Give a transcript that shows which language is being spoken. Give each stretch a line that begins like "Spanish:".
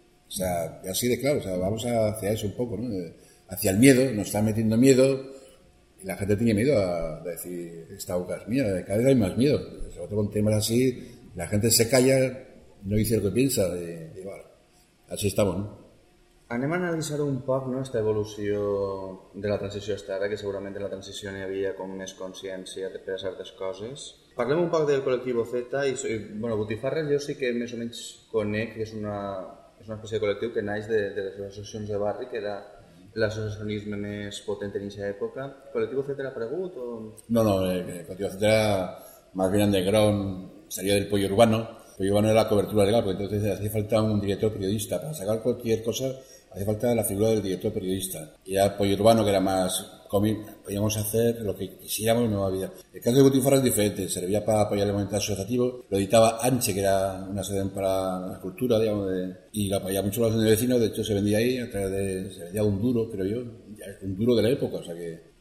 Spanish: O sea, así de claro. O sea, vamos hacia eso un poco, ¿no? Hacia el miedo, nos está metiendo miedo. Y la gente tiene miedo a decir, esta boca es mía. Cada vez hay más miedo. Sobre todo con temas así, la gente se calla. No dice lo que piensa, de bueno, así estamos, ¿no?
Catalan: Anem a analitzar un poc, no, esta evolució de la transició hasta ara, que segurament en la transició n'hi havia com més consciència per a certes coses. Parlem un poc del col·lectivo Z, i bueno, Botifarres jo sí que més o menys conec, que és una espècie de col·lectiu que naix de les associacions de barri, que era l'associacionisme més potent en aquesta època. Col·lectivo Z era aparegut o...? No, col·lectivo Z era més gran de ground, seria del Pollo Urbano.
Spanish: Pues yo no era la cobertura legal, porque entonces hacía falta un director periodista. Para sacar cualquier cosa, hacía falta la figura del director periodista. Y era Pollo Urbano, que era más cómic, podíamos hacer lo que quisiéramos, no había. El caso de Butifarra es diferente, servía para apoyar el movimiento asociativo, lo editaba Anche, que era una sede para la cultura, digamos, y lo apoyaba mucho la asociación de vecinos, de hecho se vendía ahí, a través de, se vendía un duro, creo yo, un duro de la época, o sea que.